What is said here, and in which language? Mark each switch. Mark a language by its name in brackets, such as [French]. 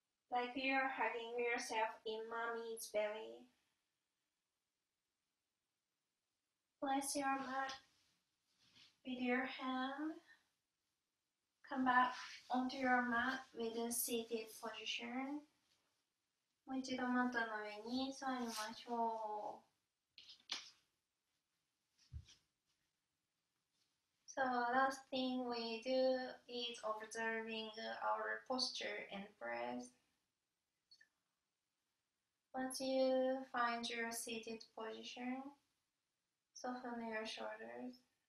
[English] Like you're hugging yourself in mommy's belly. Place your mat with your hand. Come back onto your mat with a seated position. [Japanese] もう一度マットの上に座りましょう。 [English] So last thing we do is observing our posture and breath. Once you find your seated position, soften your shoulders.